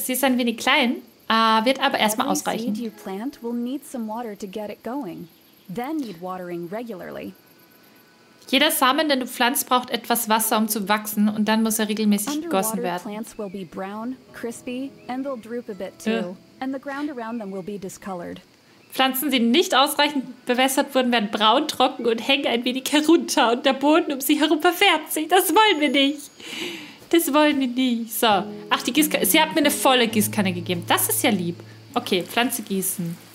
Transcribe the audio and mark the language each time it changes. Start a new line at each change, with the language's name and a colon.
German: Sie ist ein wenig klein, wird aber erstmal ausreichen.
English: Every seed you plant will need some water to get it going. Then need watering regularly.
German: Jeder Samen, den du pflanzt, braucht etwas Wasser, um zu wachsen, und dann muss er regelmäßig gegossen werden.
English: Plants will be brown, crispy, and they'll droop a bit too, and the ground around them will be discolored.
German: Pflanzen, die nicht ausreichend bewässert wurden, werden braun, trocken und hängen ein wenig herunter. Und der Boden um sie herum verfärbt sich. Das wollen wir nicht. Das wollen wir nicht. So. Ach, die Gießkanne. Sie hat mir eine volle Gießkanne gegeben. Das ist ja lieb. Okay, Pflanze gießen.